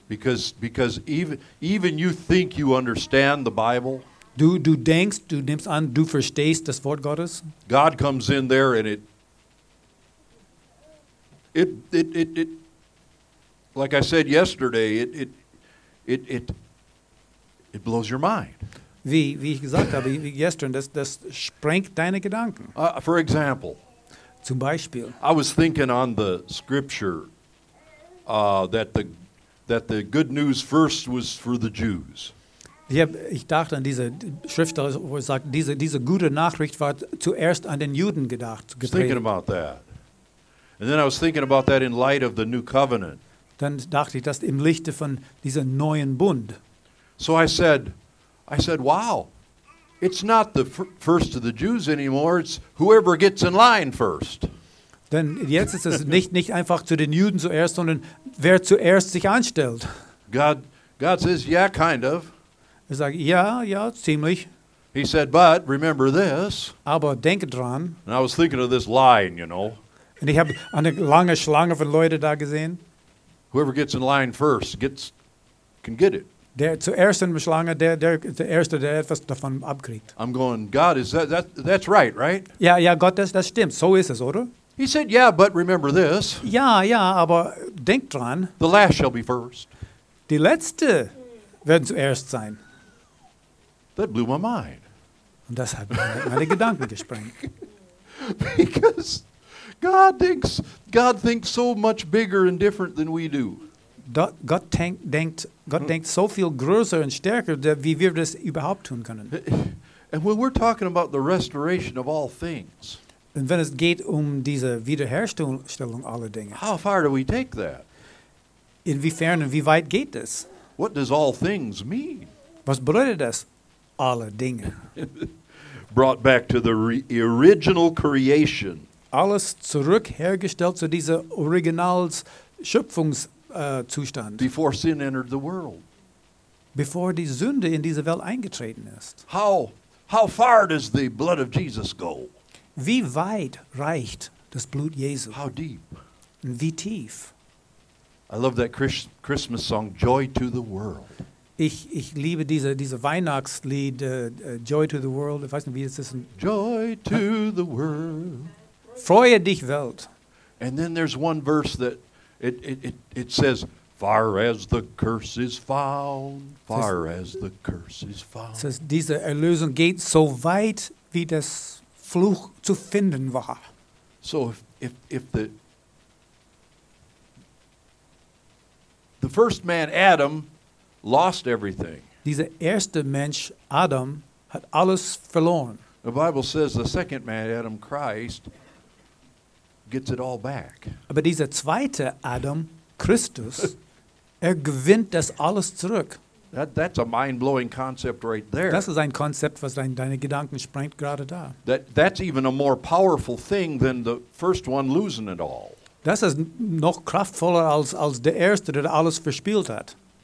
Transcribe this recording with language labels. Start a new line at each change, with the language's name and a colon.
English: Because even you think you understand the Bible.
German: Du denkst, du nimmst an, du verstehst das Wort Gottes.
English: God comes in there and it like I said yesterday, it blows your mind.
German: Wie ich gesagt habe, gestern, das sprengt deine Gedanken.
English: For example,
German: zum Beispiel,
English: I was thinking on the scripture that the good news first was for the Jews.
German: Ich dachte an diese Schriftstelle, wo es sagt, diese gute Nachricht war zuerst an den Juden gedacht.
English: I was thinking about that. And then I was thinking about that in light of the new covenant.
German: Dann dachte ich das im Lichte von diesem neuen Bund.
English: So I said, wow, it's not the first of the Jews anymore, it's whoever gets in line first.
German: Denn jetzt ist es nicht einfach zu den Juden zuerst, sondern wer zuerst sich anstellt.
English: God says, yeah, kind of.
German: Er sagt, ja, ziemlich.
English: He said, but remember this.
German: Aber denke dran.
English: And I was thinking of this line, you know.
German: Und ich habe eine lange Schlange von Leuten da gesehen.
English: Whoever gets in line first can get it.
German: Der zuerst in der Schlange, der Erste, der etwas davon abkriegt.
English: I'm going, God, is that's right, right?
German: Ja, Gott, das stimmt. So ist es, oder?
English: He said, yeah, but remember this.
German: Ja, aber denk dran.
English: The last shall be first.
German: Die Letzte werden zuerst sein.
English: That blew my mind.
German: Und das hat meine Gedanken gesprengt.
English: Because God thinks so much bigger and different than we do.
German: Gott denkt so viel größer und stärker, wie wir das überhaupt tun können.
English: And when we're talking about the restoration of all things,
German: und wenn es geht diese Wiederherstellung aller Dinge,
English: how far do we take that?
German: Inwiefern und wie weit geht das?
English: What does all things mean?
German: Was bedeutet das, alle Dinge?
English: Brought back to the original creation.
German: Alles zurückhergestellt zu dieser Originalschöpfungszustand.
English: Before sin entered the world.
German: Bevor die Sünde in diese Welt eingetreten ist.
English: How far does the blood of Jesus go?
German: Wie weit reicht das Blut Jesu?
English: How deep?
German: Und wie tief?
English: I love that Christmas song, Joy to the World.
German: Ich liebe diese Weihnachtslied, Joy to the World. Ich weiß nicht, wie es ist.
English: Joy to the World.
German: Freue dich, Welt.
English: And then there's one verse that it says, far as the curse is found, far as the curse is found.
German: Says, diese Erlösung geht so weit, wie das Fluch zu finden war.
English: So if the first man, Adam, lost everything.
German: Dieser erste Mensch, Adam, hat alles verloren.
English: The Bible says the second man, Adam, Christ, gets it all back.
German: Aber dieser zweite Adam, Christus, gewinnt das alles zurück.
English: That's a mind-blowing concept right there.
German: Das ist ein Konzept, was deine Gedanken sprengt gerade da.
English: That's even a more powerful thing than the first one losing it all.
German: Das ist noch kraftvoller als der erste, der alles verspielt hat.